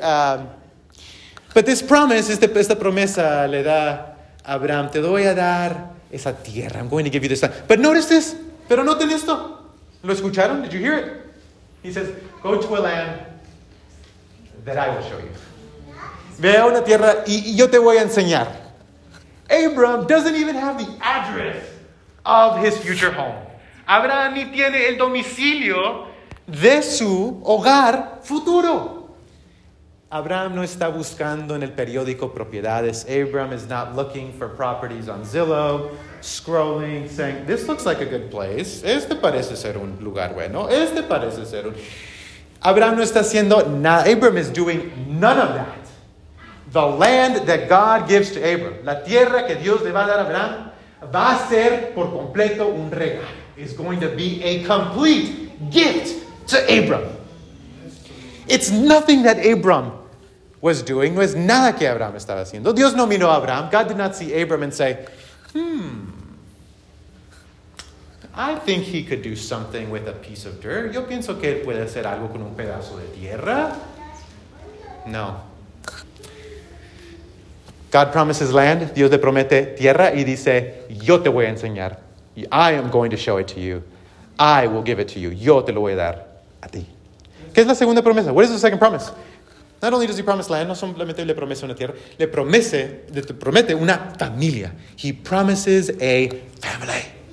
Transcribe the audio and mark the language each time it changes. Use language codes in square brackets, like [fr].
[en] But this promise, [es] esta promesa le da Abraham, te voy a dar esa tierra. [en] I'm going to give you this land. But notice this. [es] Pero noten esto. ¿Lo escucharon? [en] Did you hear it? He says, go to a land that I will show you. [es] Ve a una tierra y yo te voy a enseñar. [en] Abraham doesn't even have the address of his future home. [es] Abraham ni tiene el domicilio de su hogar futuro. Abraham no está buscando en el periódico propiedades. [en] Abraham is not looking for properties on Zillow, scrolling, saying, this looks like a good place. [es] Este parece ser un lugar bueno. Este parece ser un... Abraham no está haciendo nada. [en] Abraham is doing none of that. The land that God gives to Abraham, [es] la tierra que Dios le va a dar a Abraham, va a ser por completo un regalo. [en] It's going to be a complete gift to Abraham. It's nothing that Abraham was doing. [es] No es nada que Abraham estaba haciendo. Dios no miró a Abraham. [en] God did not see Abraham and say, I think he could do something with a piece of dirt. [es] Yo pienso que él puede hacer algo con un pedazo de tierra. No. [en] God promises land. [es] Dios le promete tierra y dice, yo te voy a enseñar. [en] I am going to show it to you. I will give it to you. [es] Yo te lo voy a dar a ti. ¿Qué es la segunda promesa? [en] What is the second promise? Not only does he promise land, [es] no solamente le promete una tierra, le promete una familia. [en] He promises a family.